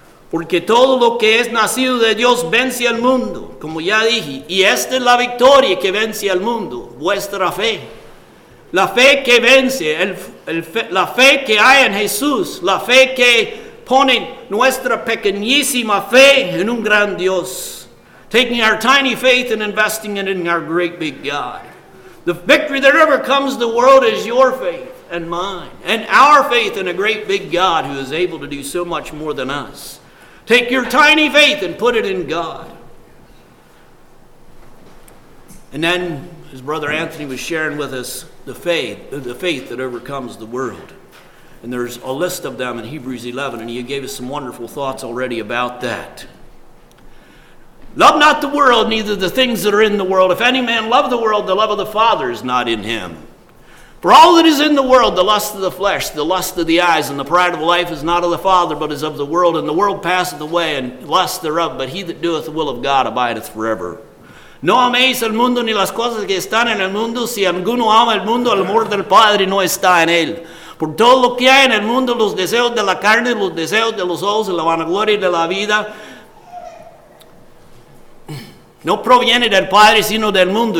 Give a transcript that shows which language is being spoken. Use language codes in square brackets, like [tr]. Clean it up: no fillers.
[es] Porque todo lo que es nacido de Dios vence al mundo, como ya dije. Y esta es la victoria que vence al mundo, vuestra fe. La fe que vence, la fe que hay en Jesús, la fe que pone nuestra pequeñísima fe en un gran Dios. [en] Taking our tiny faith and investing it in our great big God. The victory that overcomes the world is your faith and mine. And our faith in a great big God who is able to do so much more than us. Take your tiny faith and put it in God. And then, as Brother Anthony was sharing with us, the faith that overcomes the world. And there's a list of them in Hebrews 11, and he gave us some wonderful thoughts already about that. Love not the world, neither the things that are in the world. If any man love the world, the love of the Father is not in him. For all that is in the world, the lust of the flesh, the lust of the eyes, and the pride of life is not of the Father, but is of the world. And the world passeth away, and lust thereof, but he that doeth the will of God abideth forever. [es] No améis el mundo ni las cosas que están en el mundo. Si alguno ama el mundo, el amor del Padre no está en él. Por todo lo que hay en el mundo, los deseos de la carne, los deseos de los ojos y la vanagloria de la vida, no proviene del Padre sino del mundo.